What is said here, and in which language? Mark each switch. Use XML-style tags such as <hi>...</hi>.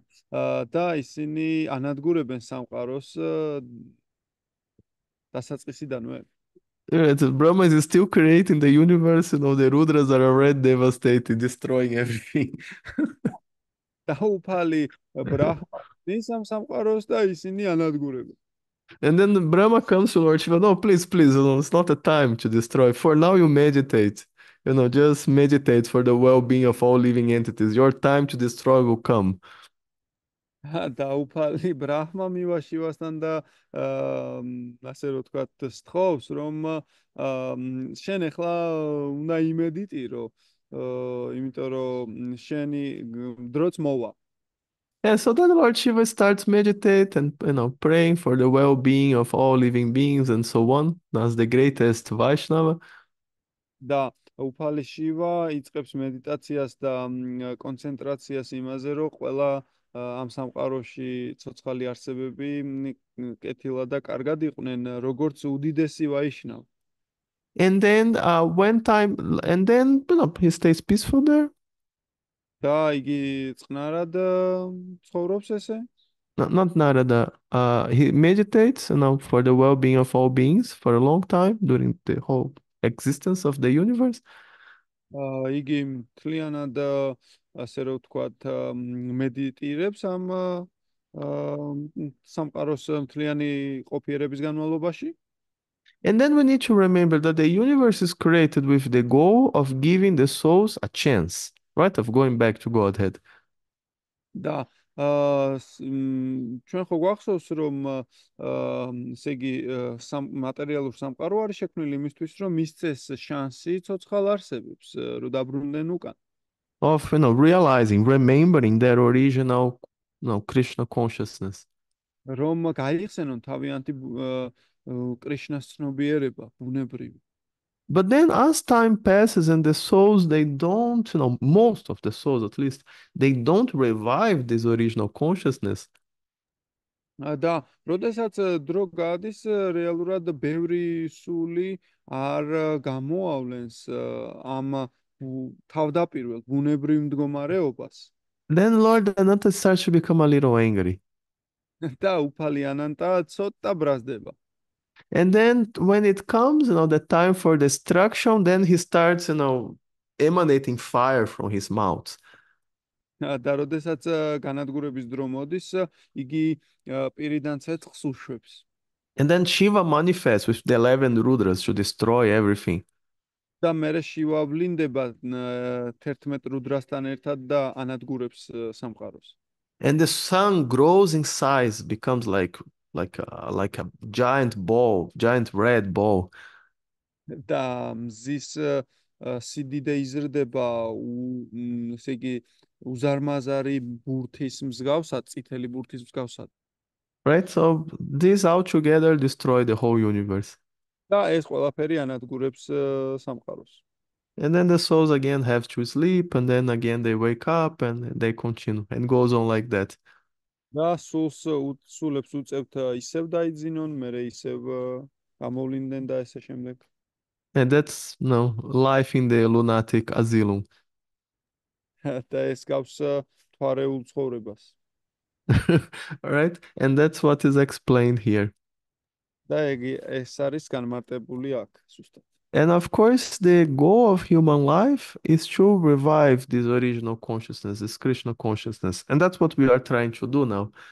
<ka>და ისინი ანადგურებენ სამყაროს დასაწყისიდანვე.</ka> <en>Brahma is still creating the universe, and you know, the Rudras are already devastating, destroying everything.</en> <ka>და უფალი ბრაჰმა ამ სამყაროს და ისინი ანადგურებენ.</ka> <en>And then Brahma comes to Lord Shiva, no, please, please, you know, it's not a time to destroy. For now, you meditate. You know, just meditate for the well-being of all living entities. Your time to destroy will come.</en> <ka>და უფალი ბრაჰმა მივა შივასთან და ასე რომ ვთქვათ, სთხოვს, რომ შენ ეხლა უნდა იმედიტირო, იმიტომ რომ შენი დროც მოვა.</ka> <en>Yeah, so then Lord Shiva starts meditate and you know praying for the well-being of all living beings and so on. That's the greatest Vaishnava.</en> <ka>და უფალი შივა იწყებს მედიტაციას და კონცენტრაციას იმაზე, რომ ყველა ამ სამყაროში ცოცხალი არსებები კეთილად და კარგად იყვნენ, როგორც უდიდესი ვაიშნავ.</ka> <en>And then you know, he stays peaceful there.</en> <ka>და იგი წყნარად ცხოვრობს ესე?</ka> <en>Not Narada. He meditates, you know, for the well-being of all beings for a long time during the whole existence of the universe.</en> <ka>იგი მთლიანად, ასე რომ ვთქვათ, მედიტირებს ამ სამყაროს მთლიანი ყოფიერების განმავლობაში.</ka> <en>And then we need to remember that the universe is created with the goal of giving the souls a chance, right, of going back to Godhead.</en> <ka>და ჩვენ ხო გვახსოვს, რომ ესე იგი, მატერიალურ სამყარო არის შექმნილი იმისთვის, რომ მისცეს შანსი ცოცხალ არსებებს, რომ დაბრუნდნენ უკან.</ka> <en>Of, you know, realizing, remembering their original, you know, Krishna consciousness.</en> <ka>რომ გაიხსენონ თავიანთი კრიშნას ცნობიერება, ბუნებრივი.</ka> <en>But then as time passes and the souls, they don't, you know, most of the souls at least, they don't revive this original consciousness.</en> <ka>და როდესაც დრო გადის, რეალურად ბევრი სული არ გამოავლენს ამ თავდაპირველ ბუნებრივ მდგომარეობას.</ka> <en>Then Lord Ananta starts to become a little angry.</en> <ka>და უფალი ანანტა ცოტა ბრაზდება.</ka> <en>And then when it comes, you know, the time for destruction, then he starts, you know, emanating fire from his mouth.</en> <ka>და როდესაც განადგურების დრო მოდის, იგი პირიდან ცეცხლს უშვებს.</ka> <en>And then Shiva manifests with the 11 Rudras to destroy everything.</en> <ka>და მერე შივა ვლინდება 11 რუდრასთან ერთად და ანადგურებს სამყაროს.</ka> <en>And the sun grows in size, becomes like a giant ball, giant red ball.</en> <ka>და მზის სიდიდე იზრდება, ესე იგი, უზარმაზარი ბურთის მსგავსად, წითელი ბურთის მსგავსად.</ka> <en>Right, so this all together destroy the whole universe.</en> <ka>და ეს ყველაფერი ანადგურებს სამყაროს.</ka> <en>And then the souls again have to sleep, and then again they wake up and they continue and goes on like that.</en> <ka>და სულს უცულებს უწევთ ისევ დაიძინონ, მერე ისევ გამოვლინდნენ და ესე შემდეგ.</ka> <en>And that's, you know, life in the lunatic asylum.</en> <ka>და ეს გავს თვარეულ ცხოვრებას.</ka> <en>All right, and that's what is explained here.</en> <ka>და ეს არის განმარტებული აქ, ზუსტად.</ka> <en>And of course, the goal of human life is to revive this original consciousness, this Krishna consciousness. And that's what we are trying to do now.</en>